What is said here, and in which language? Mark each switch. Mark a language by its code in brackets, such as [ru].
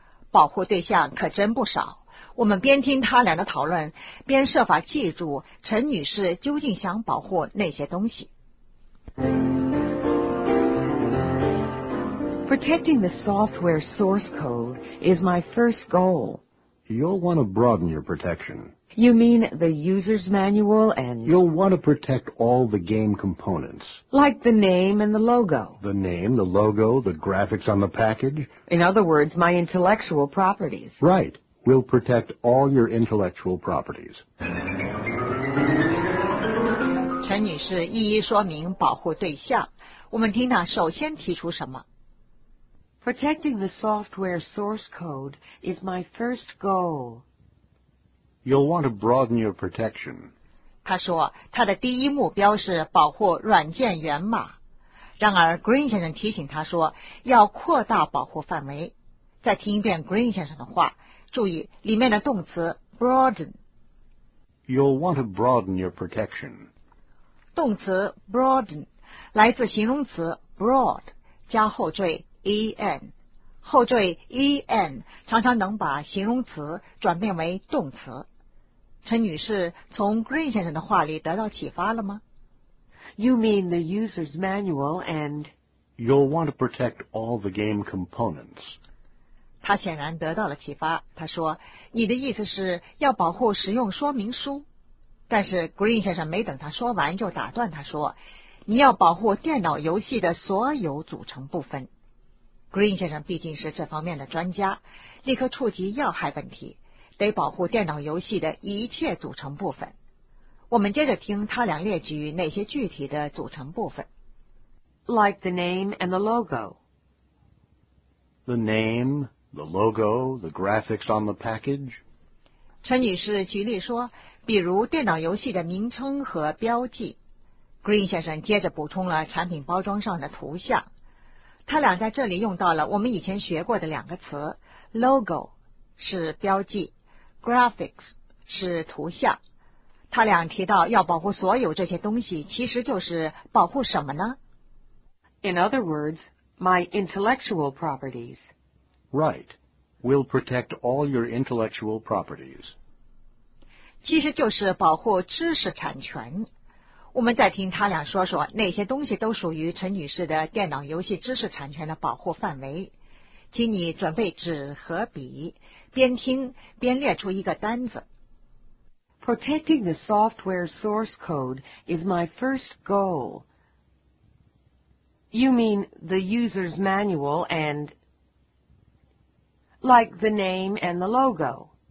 [zh] 保护对象可真不少我们边听他俩的讨论边设法记住陈女士究竟想保护那些东西 [en] Protecting the software source code is my first goal. You'll want to broaden your protection. You mean the user's manual and... You'll want to protect all the game components. Like the name and the logo. The name, the logo, the graphics on the package. In other words, my intellectual properties. Right. We'll protect all your intellectual properties. [zh] 陈女士一一说明保护对象。我们听到首先提出什么？ [en] Protecting the software source code is my first goal. You'll want to broaden your protection. [zh] 他说他的第一目标是保护软件源码。然而 Green 先生提醒他说要扩大保护范围。再听一遍 Green 先生的话注意里面的动词 broaden. [en] You'll want to broaden your protection. [zh] 动词 broaden 来自形容词 broad 加后缀en 后缀 en 常常能把形容词转变为动词陈女士从 Green 先生的话里得到启发了吗 [en] You mean the user's manual and You'll want to protect all the game components [zh] 她显然得到了启发她说你的意思是要保护使用说明书但是 Green 先生没等她说完就打断她说你要保护电脑游戏的所有组成部分Green 先生毕竟是这方面的专家立刻触及要害问题得保护电脑游戏的一切组成部分我们接着听他俩列举哪些具体的组成部分 [en] Like the name and the logo The name, the logo, the graphics on the package [zh] 陈女士举例说比如电脑游戏的名称和标记 Green 先生接着补充了产品包装上的图像他俩在这里用到了我们以前学过的两个词 ,logo 是标记 ,graphics 是图像。他俩提到要保护所有这些东西其实就是保护什么呢 [en] ?In other words, my intellectual properties. Right, we'll protect all your intellectual properties. [zh] 其实就是保护知识产权。我们再听他俩说说哪些东西都属于陈女士的电脑游戏知识产权的保护范围请你准备纸和笔边听边列出一个单子 [en] Protecting the software source code is my first goal You mean the user's manual and Like the name and the logo